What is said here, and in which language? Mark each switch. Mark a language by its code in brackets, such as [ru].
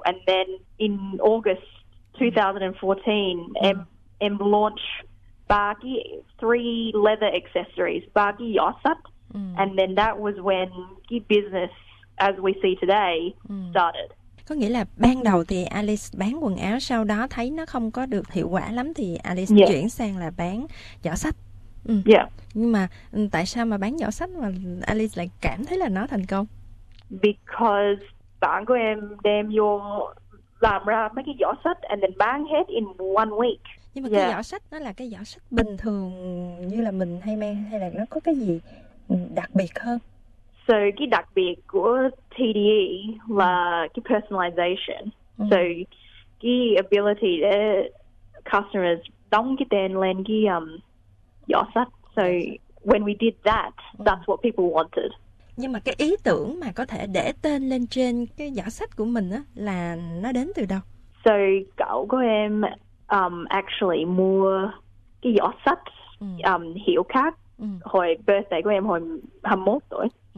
[en] And then in August 2014, [vi] em [en] launch [vi] ba cái [en] three leather accessories, [vi] ba cái yosat. [en] And then that was when [vi] cái [en] business as we see today started. [vi] Có nghĩa là ban đầu thì Alice bán quần áo, sau đó thấy nó không có được hiệu quả lắm thì Alice chuyển sang là bán giỏ sách. Nhưng mà tại sao mà bán giỏ sách mà Alice lại cảm thấy là nó thành công? [en] Because [vi] bạn của em đem vô làm ra mấy cái giỏ sách [en] and then [vi] bán hết [en] in one week. [vi] Nhưng mà cái giỏ sách nó là cái giỏ sách bình thường như là mình hay mang, hay là nó có cái gì đặc biệt hơn? So cái đặc biệt của TDE là cái personalization. So cái [en] ability [vi] để [en] customers [vi] đóng cái tên lên cái giỏ sách. [en] So when we did that, that's what people wanted. [vi] Nhưng mà cái ý tưởng mà có thể để tên lên trên cái giỏ sách của mình á là nó đến từ đâu? So cậu của em [en] actually [vi] mua cái giỏ sách hiệu khác hồi [en] birthday [vi] của em hồi 21 tuổi.